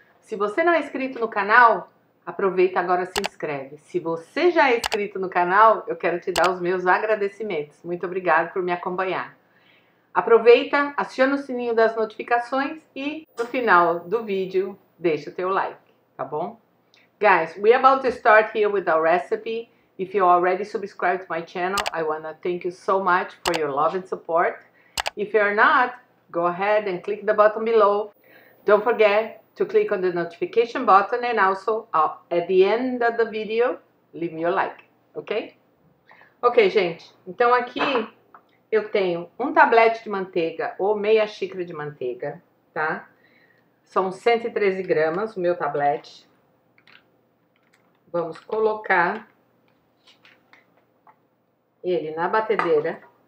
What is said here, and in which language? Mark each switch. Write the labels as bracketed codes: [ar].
[pt] Se você não é inscrito no canal, aproveita agora e se inscreve. Se você já é inscrito no canal, eu quero te dar os meus agradecimentos. Muito obrigada por me acompanhar. Aproveita, aciona o sininho das notificações e no final do vídeo, deixa o teu like, tá bom? [en] Guys, we're about to start here with our recipe. If you already subscribed to my channel, I want to thank you so much for your love and support. If you're not, go ahead and click the button below. Don't forget to click on the notification button and also at the end of the video, leave me a like, ok? [pt] Ok, gente, então aqui eu tenho um tablete de manteiga ou meia xícara de manteiga, tá? São 113 gramas o meu tablete. Vamos colocar ele na batedeira.